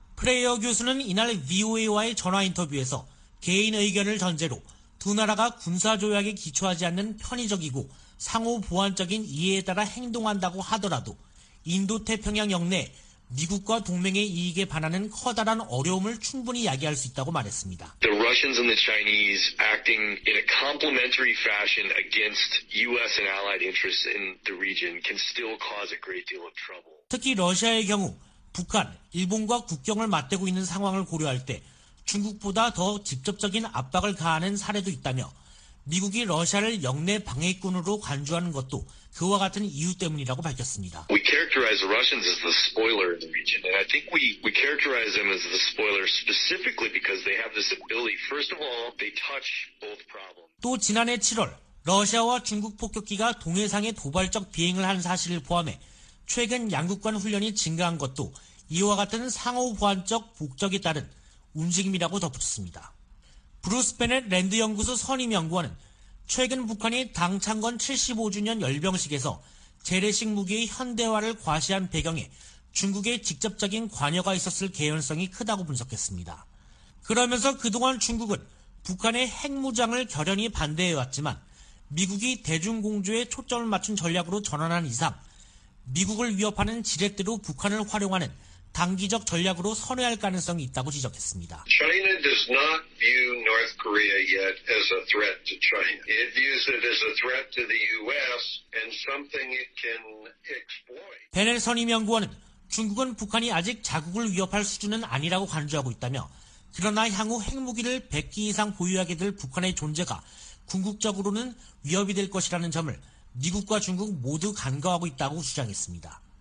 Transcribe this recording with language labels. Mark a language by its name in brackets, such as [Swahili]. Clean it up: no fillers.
[Korean] 프레이어 교수는 이날 VOA와의 전화 인터뷰에서 개인 의견을 전제로 두 나라가 군사조약에 기초하지 않는 편의적이고 상호 보완적인 이해에 따라 행동한다고 하더라도 인도태평양 역내 미국과 동맹의 이익에 반하는 커다란 어려움을 충분히 야기할 수 있다고 말했습니다. [English] The Russians and the Chinese acting in a complementary fashion against U.S. and allied interests in the region can still cause a great deal of trouble. [Korean] 특히 러시아의 경우 북한, 일본과 국경을 맞대고 있는 상황을 고려할 때 중국보다 더 직접적인 압박을 가하는 사례도 있다며 미국이 러시아를 역내 방해꾼으로 간주하는 것도 그와 같은 이유 때문이라고 밝혔습니다. [English] We characterize Russians as the spoiler in the region, and I think we characterize them as the spoiler specifically because they have this ability. First of all, they touch both problems. [Korean] 또 지난해 7월 러시아와 중국 폭격기가 동해상에 도발적 비행을 한 사실을 포함해 최근 양국 간 훈련이 증가한 것도 이와 같은 상호 보완적 목적에 따른 움직임이라고 덧붙였습니다. 브루스 베넷 랜드 연구소 선임 연구원은 최근 북한이 당 창건 75주년 열병식에서 재래식 무기의 현대화를 과시한 배경에 중국의 직접적인 관여가 있었을 개연성이 크다고 분석했습니다. 그러면서 그동안 중국은 북한의 핵무장을 결연히 반대해왔지만 미국이 대중공조에 초점을 맞춘 전략으로 전환한 이상 미국을 위협하는 지렛대로 북한을 활용하는 단기적 전략으로 선회할 가능성이 있다고 지적했습니다. [English] China does not view North Korea yet as a threat to China. It views it as a threat to the U.S. and something it can exploit. [Korean] 베넬 선임연구원은 중국은 북한이 아직 자국을 위협할 수준은 아니라고 강조하고 있다며 그러나 향후 핵무기를 100기 이상 보유하게 될 북한의 존재가 궁극적으로는 위협이 될 것이라는 점을 미국과 중국 모두 간과하고 있다고 주장했습니다.